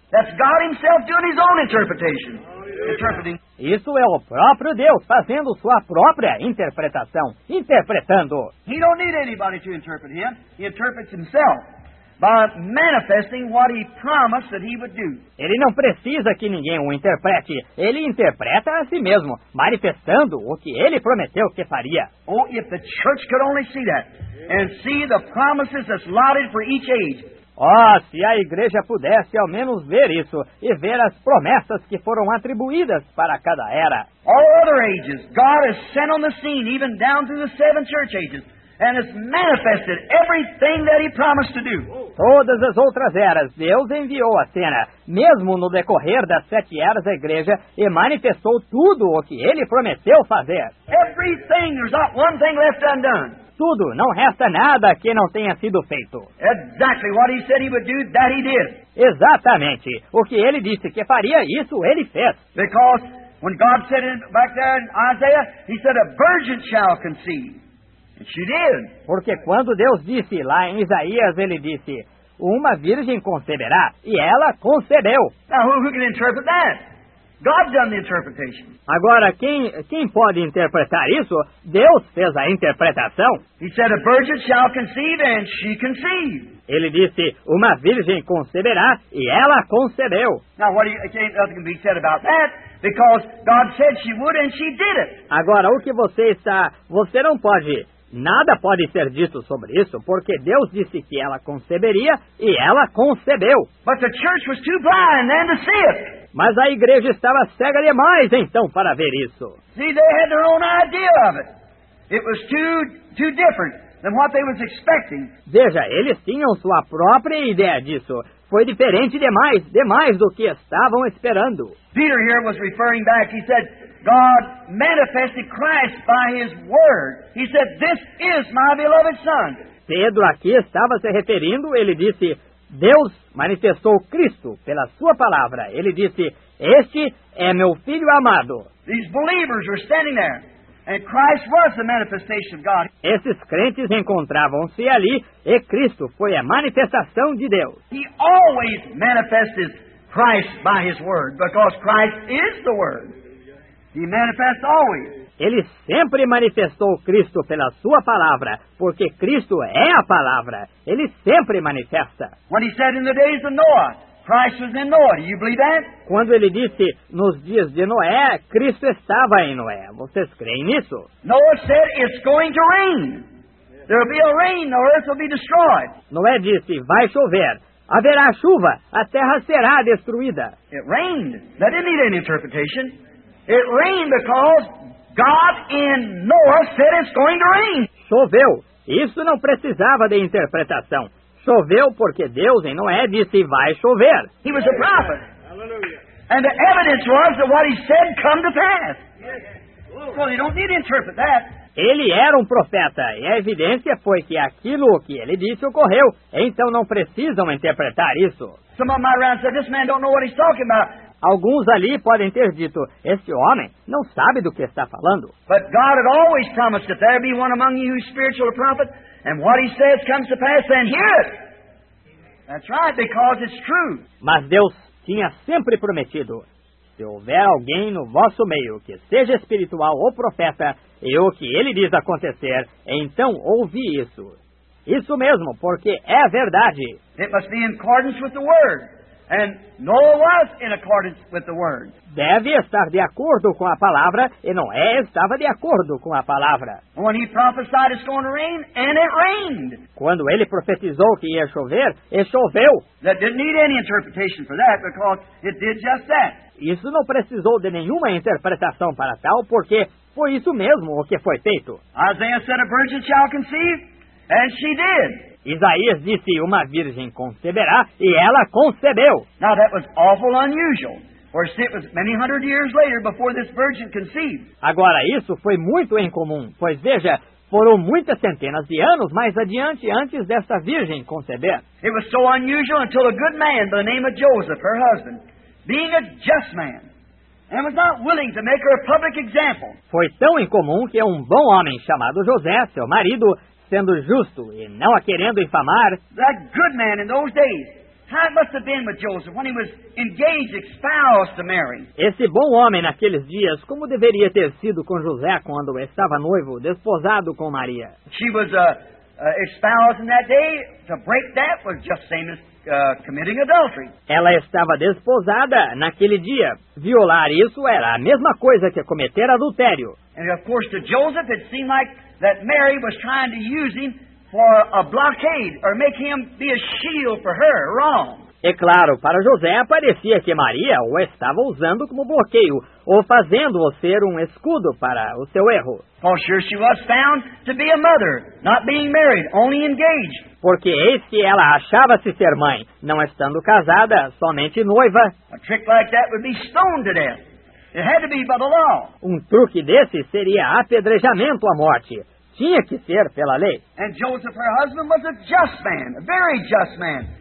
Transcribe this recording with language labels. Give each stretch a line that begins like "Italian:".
English: That's God himself doing his own interpretation. Interpreting.
Portuguese: Isso é o próprio Deus fazendo sua própria interpretação, interpretando.
English: He don't need anybody to interpret him. He interprets himself by manifesting what he promised that he would do.
Portuguese: Ele não precisa que ninguém o interprete. Ele interpreta a si mesmo, manifestando o que ele prometeu que faria.
English: Oh, if the church could only see that and see the promises that's allotted for each age.
Portuguese: Oh, se a igreja pudesse ao menos ver isso e ver as promessas que foram atribuídas para cada era.
English: All other ages, God has sent on the scene, even down through the seven church ages. And it's manifested everything that he promised to do.
Portuguese: Todas as outras eras, Deus enviou à cena, mesmo no decorrer das sete eras da igreja, e manifestou tudo o que ele prometeu fazer.
English: Everything, there's not one thing left undone.
Portuguese: Tudo, não resta nada que não tenha sido feito.
English: Exactly what he said he would do, that he did.
Portuguese: Exatamente. O que ele disse que faria, isso ele fez.
English: Because when God said it back there in Isaiah, he said, "A virgin shall conceive." She did.
Portuguese: Porque quando Deus disse lá em Isaías, ele disse, uma virgem conceberá, e ela concebeu.
English: Now, who can interpret that? God done the interpretation.
Portuguese: Agora, quem pode interpretar isso? Deus fez a interpretação.
English: He said, "A virgin shall conceive," and she conceived.
Portuguese: Ele disse, uma virgem conceberá, e ela concebeu.
English: Now, what do you, can't nothing be said about that? Because God said she would, and she did it.
Portuguese: Agora, o que você está... Você não pode... Nada pode ser dito sobre isso, porque Deus disse que ela conceberia e ela concebeu.
English: But the church was too blind then to see it.
Portuguese: Mas a igreja estava cega demais, então, para ver isso.
English: See, they had their own idea of it. It was too different than what they was expecting.
Portuguese: Veja, eles tinham sua própria ideia disso. Foi diferente demais do que estavam esperando.
English: Peter here was referring back. He said, God manifested Christ by His Word. He said, this is my beloved Son.
Portuguese: Pedro aqui estava se referindo, ele disse, Deus manifestou Cristo pela sua palavra. Ele disse, este é meu filho amado.
English: These believers were standing there, and Christ was the manifestation of God.
Portuguese: Esses crentes encontravam-se ali, e Cristo foi a manifestação de Deus.
English: He always manifests Christ by His Word, because Christ is the Word. He manifests always.
Portuguese: Ele sempre manifestou Cristo pela sua palavra, porque Cristo é a palavra. Ele sempre manifesta.
English: When he said in the days of Noah, Christ was in Noah. Do you believe that?
Portuguese: Quando ele disse nos dias de Noé, Cristo estava em Noé. Vocês creem nisso?
English: Noah said it's going to rain. There will be a rain, the earth will be destroyed.
Portuguese: Noé disse, vai chover. Haverá chuva, a terra será destruída.
English: It rained. That didn't need any interpretation. It rained because God in Noah said it's going to rain.
Portuguese: Choveu. Isso não precisava de interpretação. Choveu porque Deus em Noé disse, vai chover.
English: He was a prophet. Hallelujah. And the evidence was that what he said come to pass. Yes. So they don't need to interpret that.
Portuguese: Ele era um profeta, e a evidência foi que aquilo que ele disse ocorreu. Então não precisam interpretar isso.
English: Some of my friends said, this man don't know what he's talking about.
Portuguese: Alguns ali podem ter dito, este homem não sabe do que está falando.
English: But God had always promised that there be one among you who is spiritual, a prophet, and what he says comes to pass, then hear it. That's right, because it's true.
Portuguese: Mas Deus tinha sempre prometido, se houver alguém no vosso meio que seja espiritual ou profeta, e o que ele diz acontecer, então ouvi isso. Isso mesmo, porque é verdade.
English: It must be in accordance with the word. And Noah was in accordance with the word.
Portuguese: Deve estar de acordo com a palavra, e Noé estava de acordo com a palavra.
English: When he prophesied it's going to rain, and it rained.
Portuguese: Quando ele profetizou que ia chover, e choveu.
English: That didn't need any interpretation for that, because it did just that.
Portuguese: Isso não precisou de nenhuma interpretação para tal, porque foi isso mesmo o que foi feito.
English: Isaiah said a virgin shall conceive, and she did.
Portuguese: Isaías disse, uma virgem conceberá, e ela concebeu.
English: Now that was awful unusual, for it was many hundred years later before this virgin conceived.
Portuguese: Agora, isso foi muito incomum, pois veja, foram muitas centenas de anos mais adiante antes desta virgem conceber.
English: It was so unusual until a good man by the name of Joseph, her husband, being a just man, and was not willing to make her a public example.
Portuguese: Foi tão incomum que um bom homem chamado José, seu marido, sendo justo e não a querendo infamar.
English: That good man in those days, how it must have been with Joseph when he was engaged, espoused to Mary.
Portuguese: Esse bom homem naqueles dias, como deveria ter sido com José quando estava noivo, desposado com Maria?
English: She was espoused in that day. To break that was just same as committing adultery.
Portuguese: Ela estava desposada naquele dia. Violar isso era a mesma coisa que cometer adultério.
English: And of course, to Joseph, it seemed like that Mary was trying to use him for a blockade or make him be a shield for her wrong.
Portuguese: E claro, para José parecia que Maria o estava usando como bloqueio ou fazendo-o ser um escudo para o seu erro.
English: For sure she was found to be a mother, not being married, only engaged.
Portuguese: Porque eis que ela achava-se ser mãe, não estando casada, somente noiva.
English: A trick like that would be stoned to death. It had to be by the law.
Portuguese: Um truque desse seria apedrejamento à morte. Tinha que ser pela lei.
English: And Joseph, her husband, was a just man, a very just man.